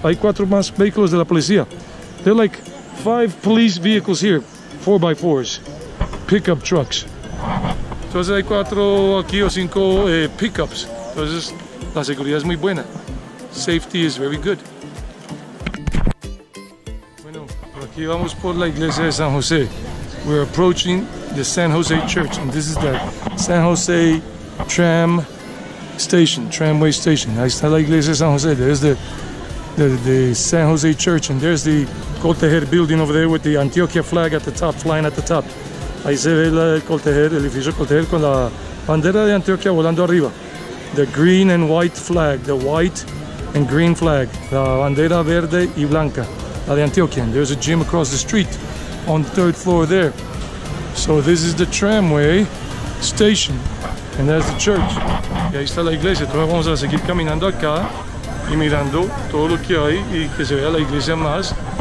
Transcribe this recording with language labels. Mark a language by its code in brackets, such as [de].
[es] Hay cuatro más vehículos de la policía. [en] They're like five police vehicles here. 4x4s. Pickup trucks. [es] Entonces hay cuatro aquí o cinco pickups. Entonces la seguridad es muy buena. [en] Safety is very good. [es] Aqui vamos por la iglesia de San José. [en] We're approaching the San José Church, and this is the San José Tram Station, Tramway Station. [es] Ahí está la iglesia de San José. [en] There's the San José Church, and there's the Coltejer building over there with the Antioquia flag at the top, flying at the top. [es] Ahí se ve el edificio Coltejer con la bandera de Antioquia volando arriba. [en] The green and white flag, the white and green flag. [es] La bandera verde y blanca, la de Antioquia. [en] And there's a gym across the street on the third floor there. So this is the tramway station, and that's the church. [es] Y ahí está la iglesia. Entonces vamos a seguir caminando acá y mirando todo lo que hay y que se vea la iglesia más.